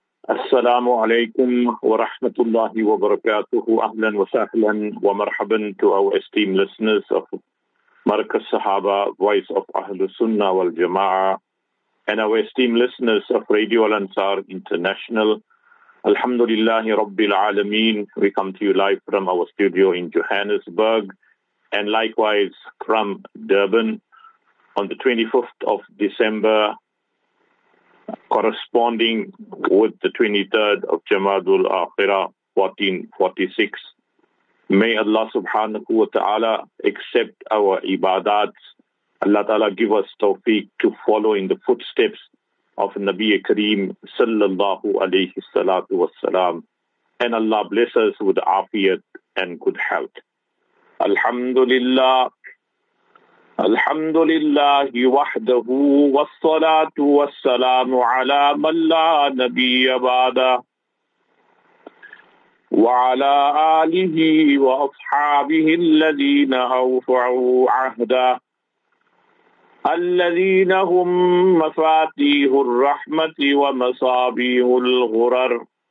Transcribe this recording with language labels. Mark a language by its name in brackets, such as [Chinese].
[Arabic] السلام عليكم ورحمة الله وبركاته. أهلا وسهلا ومرحبا [English] to our esteemed listeners of مركز صحابة Voice of أهل السنة والجماعة and our esteemed listeners of Radio Al-Ansar International. [Arabic] الحمد لله رب العالمين. [English] We come to you live from our studio in Johannesburg and likewise from Durban on the 25th of December, corresponding with the 23rd of Jamadul Akhirah, 1446. May Allah subhanahu wa ta'ala accept our ibadats. Allah ta'ala give us tawfiq to follow in the footsteps of Nabi Kareem sallallahu alayhi salatu wassalam. And Allah bless us with afiyat and good health. Alhamdulillah. [Arabic] الحمد لله وحده والصلاة والسلام على من لا نبي بعده وعلى آله وأصحابه الذين أوفعوا عهده الذين هم مفاتيح الرحمة ومصابيح الغرر.